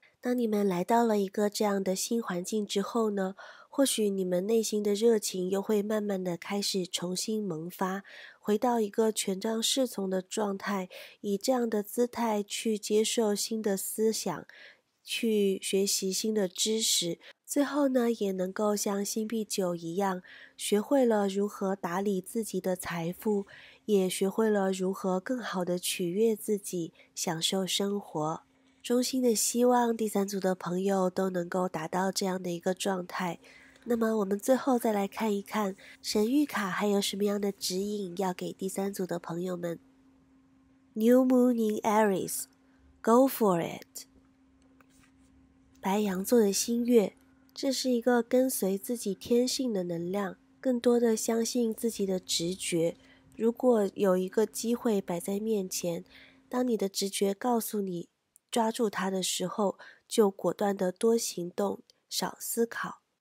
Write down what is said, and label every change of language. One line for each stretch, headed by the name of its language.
Chinese: 当你们来到了一个这样的新环境之后呢，或许你们内心的热情又会慢慢的开始重新萌发，回到一个权杖侍从的状态，以这样的姿态去接受新的思想，去学习新的知识，最后呢，也能够像星币九一样，学会了如何打理自己的财富，也学会了如何更好的取悦自己，享受生活。衷心的希望第三组的朋友都能够达到这样的一个状态。那么我们最后再来看一看神谕卡还有什么样的指引要给第三组的朋友们。
English: New Moon in Aries, Go for it.
Chinese: 白羊座的新月，这是一个跟随自己天性的能量，更多的相信自己的直觉。如果有一个机会摆在面前，当你的直觉告诉你抓住它的时候，就果断的多行动，少思考。